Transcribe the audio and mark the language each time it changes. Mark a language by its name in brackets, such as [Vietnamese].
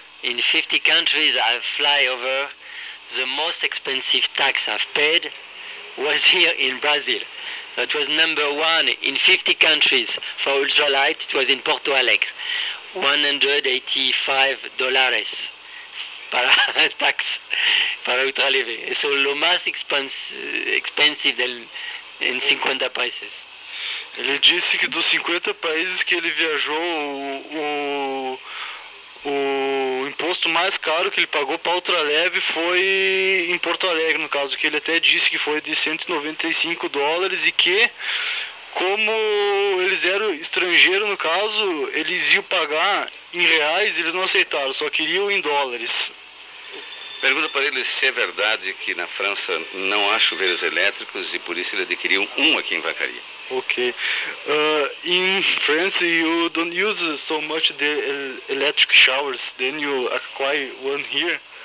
[English] In 50 countries I fly over, the most expensive tax I've paid was here in Brazil. That was number one in 50 countries for ultralight. It was in Porto Alegre. [Portuguese] $185 para tax, para ultraleve. [English] It's so the most expensive than in 50 países. [Portuguese] Ele disse que dos 50 países que ele viajou, o imposto mais caro que ele pagou para ultraleve foi em Porto Alegre, no caso, que ele até disse que foi de $195 e que, como eles eram estrangeiros, no caso, eles iam pagar em reais, eles não aceitaram, só queriam em dólares. Pergunta para ele se é verdade que na França não há chuveiros elétricos e por isso ele adquiriu um aqui em Vacaria. [English] Ok. In France you don't use so much the electric showers, then you acquire one here.